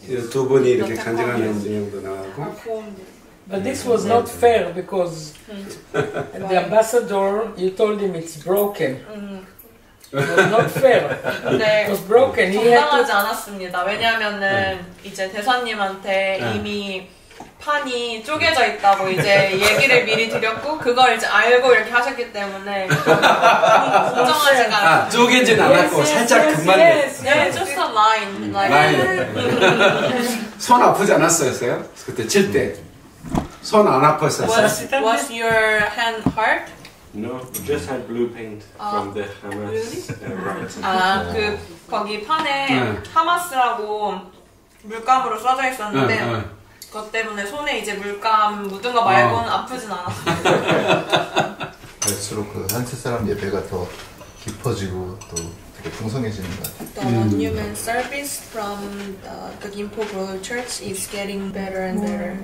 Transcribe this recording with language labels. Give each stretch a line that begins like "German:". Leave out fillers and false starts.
Korean: 두 분이 이렇게 간증하는 내용도 나오고
English: But this was not fair because the ambassador, you told him it's broken. It was not fair. It was broken.
Korean: 정당하지 않았습니다. 왜냐하면은 이제 대사님한테 이미 판이 쪼개져 있다고 이제 얘기를 미리 드렸고 그걸 이제 알고 이렇게 하셨기 때문에 공정하지가 않아. 쪼개진 않았고 살짝 금방.
English: Yes, just a line.
Korean: Line. 손 아프지 않았어요? 그때 칠 때 손 안 아팠었어요?
English: Was your hand hurt? No, just had blue paint from the Hamas. Really?
Korean: 아, 그 거기 판에 하마스라고 물감으로 써져 있었는데 그것 때문에 손에 이제 물감 묻은 거 말고는 아프진 않았어요. 갈수록 그 한체 사람 예배가 더 깊어지고 또 되게 풍성해지는 것 같아요.
English: The monument service from the Gimpo Glow Church is getting better and better.